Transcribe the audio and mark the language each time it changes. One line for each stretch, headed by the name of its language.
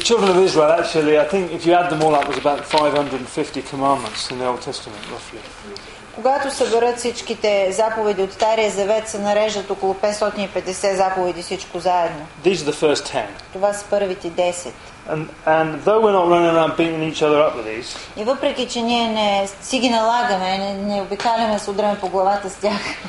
English: children of Israel, actually, I think if you add them all up, was about 550 commandments in the Old Testament, roughly.
Bulgarian: Когато съберат всичките заповеди от Стария Завет, се нареждат около 550 заповеди всичко заедно.
English: These are the first 10.
Bulgarian: Това са първите 10.
English: And though we're not running around beating each other up with these.
Bulgarian: И въпреки че ние не си ги налагаме, не обикаляме с удрени по главата с тях.